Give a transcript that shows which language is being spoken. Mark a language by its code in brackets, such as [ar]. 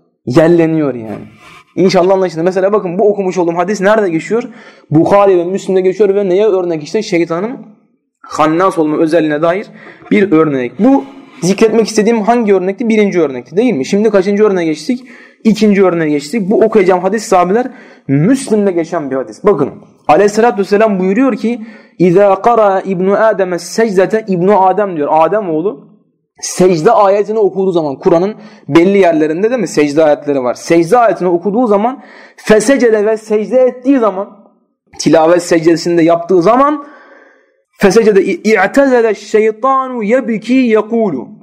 [tr] Yelleniyor yani. İnşallah anlaşılır. Mesela bakın bu okumuş olduğum hadis nerede geçiyor? Bukhari ve Müslim'de geçiyor ve neye örnek işte? Şeytanın hannas olma özelliğine dair bir örnek. Bu zikretmek istediğim hangi örnekti? Birinci örnekti değil mi? Şimdi kaçıncı örneğe geçtik? İkinci örneğe geçtik. Bu okuyacağım hadis sahabeler Müslim'de geçen bir hadis. Bakın aleyhissalatü vesselam buyuruyor ki [ar] اِذَا قَرَى اِبْنُ آدَمَ السَّجْدَةَ اِبْنُ آدَم [tr] diyor. Adem oğlu. Secde ayetini okuduğu zaman Kur'an'ın belli yerlerinde değil mi secde ayetleri var. Secde ayetini okuduğu zaman fesecede ve secde ettiği zaman tilavet secdesinde yaptığı zaman [ar] fesecede i'tezele şeytanu yebiki yekulu.